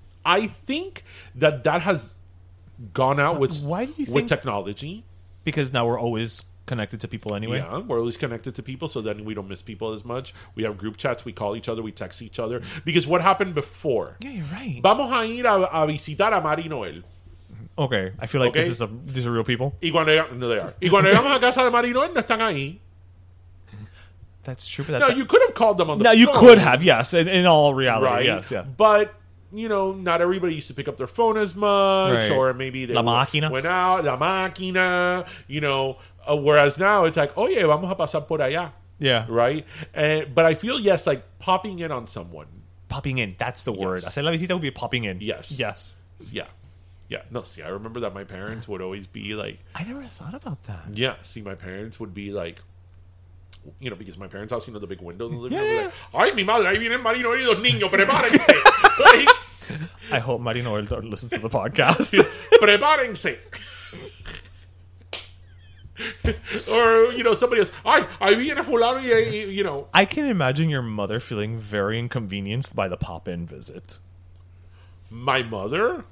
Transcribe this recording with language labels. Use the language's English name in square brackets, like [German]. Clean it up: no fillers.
[English] I think that has gone out with technology. Because now we're always connected to people anyway. Yeah, we're always connected to people, so then we don't miss people as much. We have group chats, we call each other, we text each other. Because what happened before? Yeah, you're right. [Spanish] Vamos a ir a visitar a Mari Noel. [English] Okay, I feel like this is these are real people. [Spanish] Y cuando llaman a casa de Marino, no están ahí. [English] That's true. But you could have called them on the phone. No, you could have, yes, in all reality. Right. Yes, yeah. But, you know, not everybody used to pick up their phone as much, right. Or maybe they went out, [Spanish] la máquina, [English] you know, whereas now it's like, [Spanish] oye, vamos a pasar por allá. [English] Yeah. Right? But I feel, yes, like popping in on someone. Popping in, that's the word. [Spanish] Hacer la visita [English] would be popping in. Yes. Yes. Yeah. Yeah. No, see, I remember that my parents would always be like. I never thought about that. Yeah. See, my parents would be like, you know, because my parents' house, you know, the big window in the living room. [Spanish] Ay, mi madre, ahí viene Marino y los niños, prepárense. [English] I hope Marino will listen to the podcast. [Spanish] Prepárense. [English] Or, you know, somebody else, [Spanish] ay, viene fulano y, [English] you know. I can imagine your mother feeling very inconvenienced by the pop-in visit. My mother?